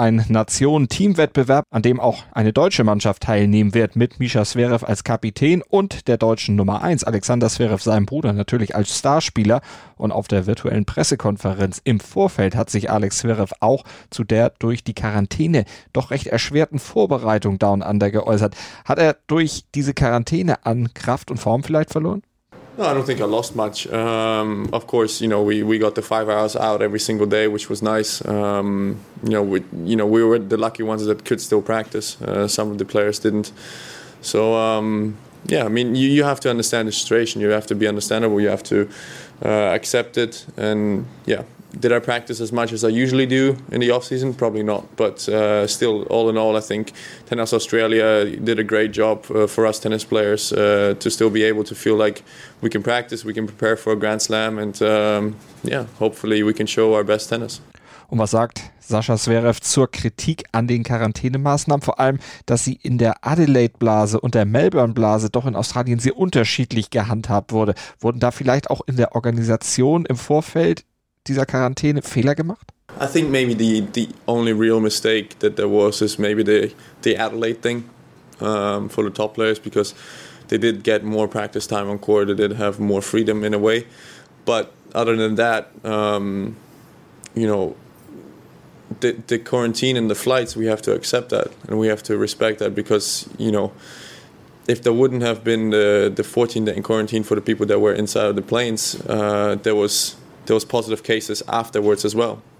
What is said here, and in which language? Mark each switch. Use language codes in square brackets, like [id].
[de] Ein Nationen-Team-Wettbewerb, an dem auch eine deutsche Mannschaft teilnehmen wird, mit Mischa Zverev als Kapitän und der deutschen Nummer 1, Alexander Zverev, seinem Bruder natürlich als Starspieler. Und auf der virtuellen Pressekonferenz im Vorfeld hat sich Alex Zverev auch zu der durch die Quarantäne doch recht erschwerten Vorbereitung Down Under geäußert. Hat er durch diese Quarantäne an Kraft und Form vielleicht verloren? [en] No, I don't think I lost much. Of course, you know, we got the 5 hours out every single day, which was nice. We were the lucky ones that could still practice. Some of the players didn't. So, yeah, I mean, you have to understand the situation. You have to be understandable. You have to accept it. And yeah, did I practice as much as I usually do in the off season? Probably not. But still, all in all, I think Tennis Australia did a great job for us tennis players to still be able to feel like we can practice, we can prepare for a Grand Slam, and yeah, hopefully we can show our best tennis. [de] Und was sagt Sascha Zverev zur Kritik an den Quarantänemaßnahmen? Vor allem, dass sie in der Adelaide-Blase und der Melbourne-Blase doch in Australien sehr unterschiedlich gehandhabt wurde. Wurden da vielleicht auch in der Organisation im Vorfeld dieser Quarantäne Fehler gemacht? [en] I think maybe the only real mistake that there was is maybe the Adelaide thing for the top players, because they did get more practice time on court, they did have more freedom in a way. But other than that, you know, the quarantine and the flights, we have to accept that and we have to respect that, because, you know, if there wouldn't have been the 14-day quarantine for the people that were inside of the planes, there was positive cases afterwards as well.